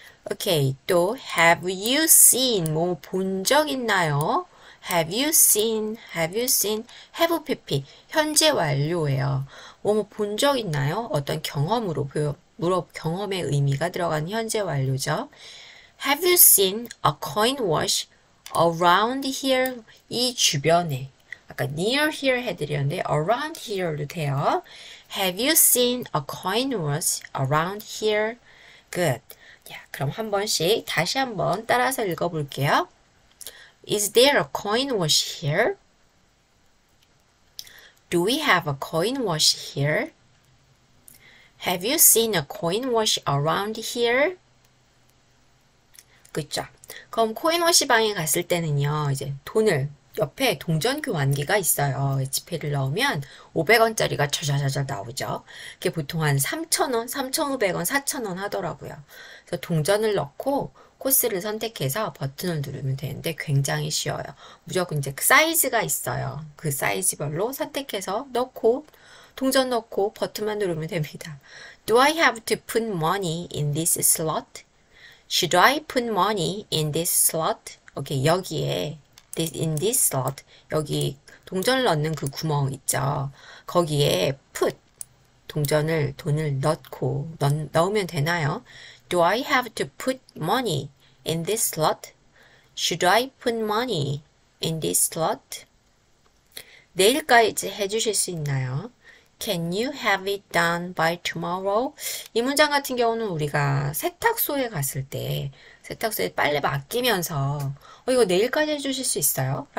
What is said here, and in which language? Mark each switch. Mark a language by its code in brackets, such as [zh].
[en] Okay, 또 have you seen [ko] 뭐본적 있나요? [en] Have you seen have PP [ko] 현재 완료예요. 뭐본적 있나요? 어떤 경험으로 경험의 의미가 들어간 현재 완료죠. [en] Have you seen a coin wash around here? [ko] 이 주변에 아까 near here 해드렸는데 around here도 돼요. [en] Have you seen a coin wash around here? Good. [ko] 야, 그럼 한 번씩 다시 한번 따라서 읽어볼게요. [en] Is there a coin wash here? Do we have a coin wash here? Have you seen a coin wash around here? [ko] 그쵸? 그럼 코인 워시방에 갔을 때는요, 이제 돈을 옆에 동전 교환기가 있어요. 지폐를 넣으면 500원짜리가 자자자자 나오죠. 그게 보통 한 3,000원, 3,500원, 4,000원 하더라고요. 그래서 동전을 넣고 코스를 선택해서 버튼을 누르면 되는데 굉장히 쉬워요. 무조건 이제 사이즈가 있어요. 그 사이즈별로 선택해서 넣고 동전 넣고 버튼만 누르면 됩니다. [en] Do I have to put money in this slot? Should I put money in this slot? [ko] 오케이, 여기에 [en] In this slot, [ko] 여기 동전을 넣는 그 구멍 있죠. 거기에 put, 동전을, 돈을 넣고, 넣으면 되나요? [en] Do I have to put money in this slot? Should I put money in this slot? [ko] 내일까지 해주실 수 있나요? [en] Can you have it done by tomorrow? [ko] 이 문장 같은 경우는 우리가 세탁소에 갔을 때 세탁소에 빨래 맡기면서 이거 내일까지 해주실 수 있어요?